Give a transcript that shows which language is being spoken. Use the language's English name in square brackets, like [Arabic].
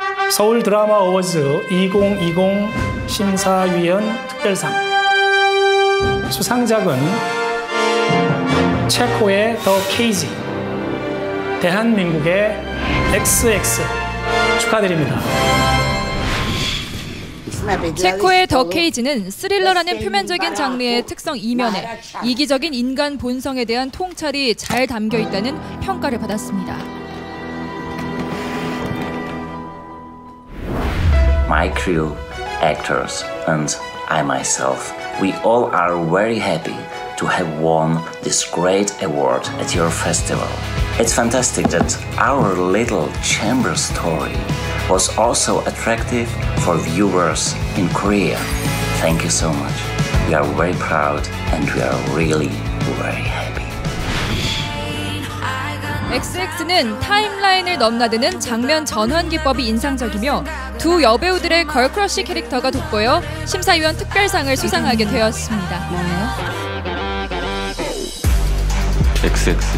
[Korean] 서울 드라마 어워즈 2020 심사위원 특별상 수상작은 체코의 더 케이지, 대한민국의 XX 축하드립니다. 체코의 더 케이지는 스릴러라는 표면적인 장르의 특성 이면에 이기적인 인간 본성에 대한 통찰이 잘 담겨 있다는 평가를 받았습니다. [English] 마이 크루, 액터스, and I myself, we all are very happy to have won this great award at your festival. It's fantastic that our little chamber story was also attractive for viewers in Korea. Thank you so much. We are very proud and we are really very happy. [Korean] XX는 타임라인을 넘나드는 장면 전환 기법이 인상적이며 두 여배우들의 걸크러쉬 캐릭터가 돋보여 심사위원 특별상을 수상하게 되었습니다. XX